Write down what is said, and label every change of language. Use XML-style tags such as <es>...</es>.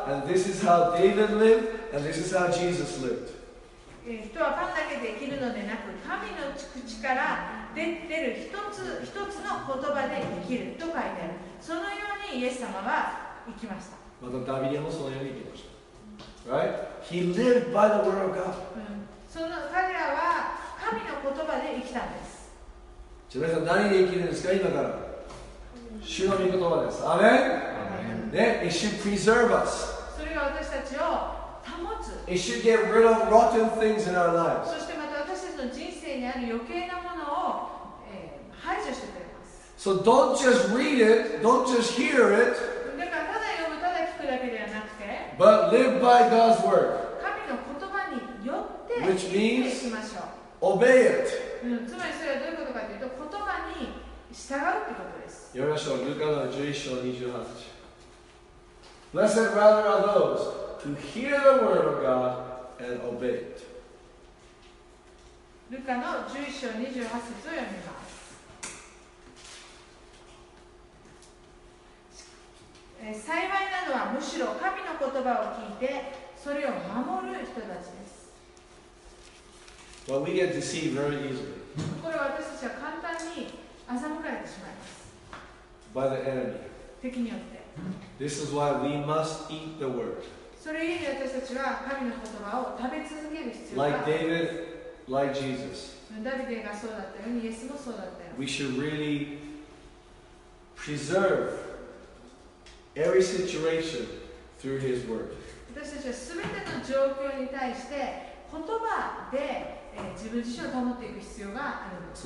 <en>And this is how David lived, and this is how Jesus lived.</en> <ja>人はパンだけで生きるのでなく、神の口から出てる一つ一つの言葉で生きると書いてある。そのようにイエス様は生きました。またダビデもそのように生きました。</ja> <en>Right? He lived by the word of God.</en> <ja>その彼らは神の言葉で生きたんです。じゃあ皆さん何で生きるんですか今から。主の御言葉です。アメン。</ja> <en>It should preserve us.</en> <ja>それが私たちを、</ja> <en>It should get rid of rotten things in our lives.</en> <ja>そしてまた私たちの人生にある余計なものを、排除してくれます。</ja> <en>So don't just read it, don't just hear it.</en> <ja>だからただ読む、ただ聞くだけではなくて、</ja> <en>But live by God's word.</en> <ja>神の言葉によって</ja> <en>Which means</en> <ja>生きていきましょう。</ja> <en>Obey it.</en> <ja>つまりそれはどういうことかというと、言葉に従うということです。よろしく。ルカの11章28節。</ja> <en>Blessed rather are those. To hear the word of God and obey it.</en> <ja>ルカの11章28節を読みます。幸いなのはむしろ神の言葉を聞いてそれを守る人たちです。</ja> <en>But we get deceived very easily.</en> <ja>これは私たちは簡単に欺かれてしまいます。</ja> <en>By the enemy.</en> <ja>敵によって。</ja> <en>This is why we must eat the word.</en> <ja>それゆえに私たちは神の言葉を食べ続ける必要がある。</ja> <en>Like David, like Jesus.</en> <ja>ダビデがそうだったように、イエスもそうだったように。</ja> <en>We should really preserve every situation through his word.</en> <ja>私たちはすべての状況に対して言葉で自分自身を保っていく必要があるんです。</ja>